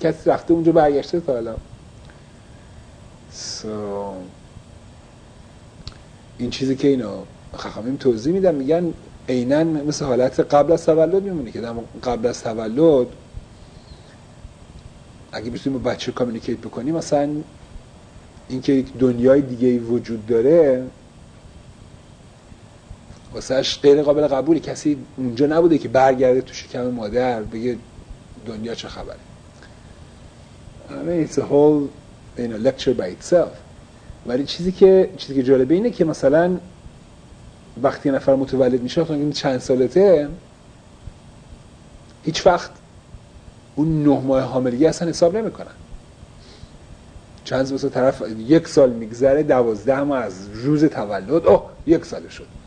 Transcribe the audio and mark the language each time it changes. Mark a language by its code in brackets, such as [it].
[fa] کسی رفته اونجا برگشته تا الان. So این چیزی که اینا خخامیم توضیح میدن، میگن عیناً مثل حالت قبل از تولد میمونه که دم قبل از تولد اگه بتونیم با بچه کامیونیکیت بکنیم، مثلا اینکه یک دنیای دیگه وجود داره واسه اش غیر قابل قبولی، کسی اونجا نبوده که برگرده تو شکم مادر بگه دنیا چه خبره. [en] I mean, it's a whole, you know, lecture by itself. [fa] ولی چیزی که جالبه اینه که مثلا وقتی نفر متولد میشه، اون چند سالته، هیچ وقت اون 9 ماه حاملگی اصلا حساب نمیکنن. چند سال طرف یک سال میگذره، 12 ماه از روز تولد، اوه یک سال شد.